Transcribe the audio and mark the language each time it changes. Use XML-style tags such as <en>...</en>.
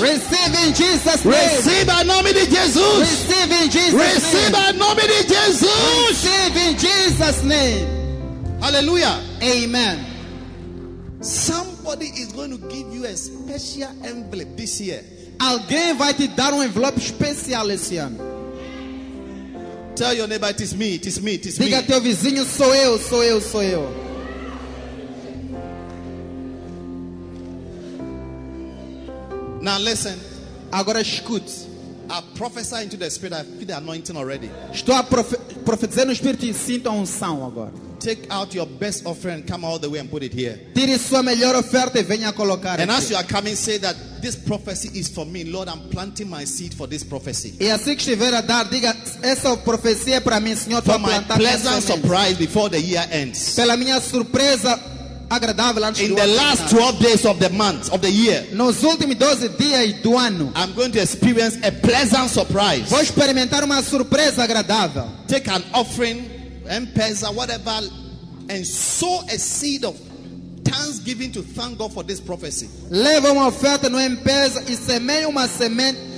<en>Receive in Jesus name.</en> <pt>Receba em nome de Jesus.</pt> <en>Receive in Jesus</en> <pt>receba</pt> <en>name.</en> <pt>Receba em nome de Jesus.</pt> <en>Receive in Jesus name. Hallelujah. Amen. Somebody is going to give you a special envelope this year.</en> <pt>Alguém vai te dar envelope especial esse ano.</pt> <en>Tell your neighbor, it is me, it is me, it is</en> <pt>diga</pt> <en>me.</en> <pt>Diga teu vizinho, sou eu, sou eu, sou eu.</pt> <en>Now listen.</en> <pt>Agora escute.</pt> <en>I prophesy into the spirit. I feel the anointing already.</en> <pt>Estou a profetizar no espírito e sinto a unção agora.</pt> <en>Take out your best offering, come all the way and put it here.</en> <pt>Tire sua melhor oferta e venha colocar.</pt> <en>And as you are coming, say that this prophecy is for me, Lord. I'm planting my seed for this prophecy.</en> <pt>E assim que estiver a dar, diga essa profecia é para mim, Senhor.</pt> <en>For my pleasant surprise before the year ends.</en> <pt>Pela minha surpresa agradável antes do ano.</pt> <en>In the last 12 days of the month of the year.</en> <pt>Nos últimos 12 dias do ano.</pt> <en>I'm going to experience a pleasant surprise.</en> <pt>Vou experimentar uma surpresa agradável.</pt> <en>Take an offering. M-Pesa, whatever, and sow a seed of thanksgiving to thank God for this prophecy.</en> <pt>Leva uma oferta no M-Pesa e semeia uma semente</pt>